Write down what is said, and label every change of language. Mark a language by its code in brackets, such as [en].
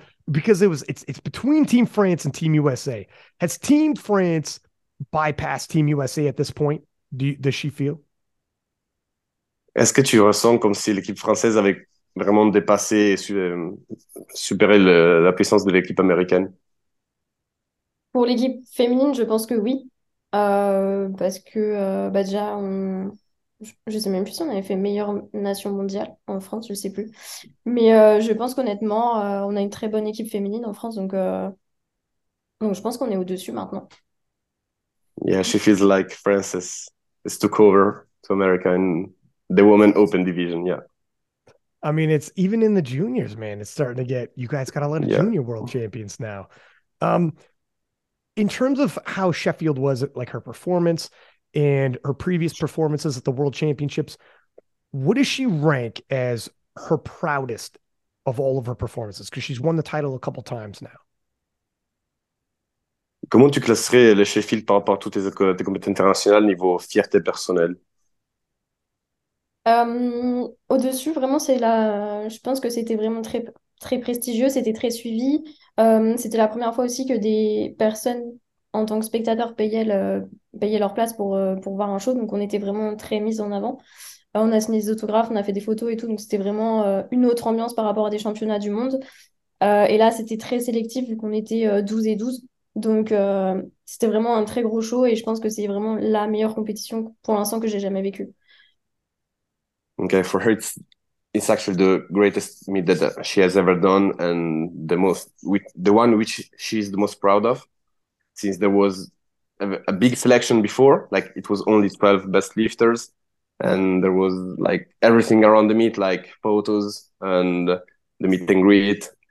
[en] Because it's between Team France and Team USA. Has Team France bypassed Team USA at this point? Does she feel? [fr] Est-ce que tu ressens comme si l'équipe française avait vraiment dépassé et supéré la puissance de l'équipe américaine? Pour l'équipe féminine, je pense que oui. Parce que bah déjà, je sais même plus si on avait fait meilleure nation mondiale en France, je ne sais plus. Mais je pense qu'honnêtement, on a une très bonne équipe féminine en France. Donc je pense qu'on est au-dessus maintenant. [en] Yeah, she feels like Frances is took over to America and the woman open division, yeah. I mean, it's even in the juniors, man. It's starting to get, you guys got a lot of junior world champions now. In terms of how Sheffield was, like her performance and her previous performances at the World Championships, what does she rank as her proudest of all of her performances? Because she's won the title a couple times now. [fr] Comment tu classerais le Sheffield par rapport à toutes tes compétitions internationales niveau fierté personnelle? Au-dessus, vraiment, c'est la... je pense que c'était vraiment très, très prestigieux, c'était très suivi. C'était la première fois aussi que des personnes en tant que spectateurs payaient leur place pour voir un show. Donc, on était vraiment très mises en avant. On a signé des autographes, on a fait des photos et tout. Donc, c'était vraiment une autre ambiance par rapport à des championnats du monde. Et là, c'était très sélectif vu qu'on était 12 et 12. Donc, c'était vraiment un très gros show et je pense que c'est vraiment la meilleure compétition pour l'instant que j'ai jamais vécue. [en] Okay, for her, it's actually the greatest meet that she has ever done, and the one which she's the most proud of, since there was a big selection before. Like, it was only 12 best lifters, and there was like everything around the meet, like photos and the meet and greet.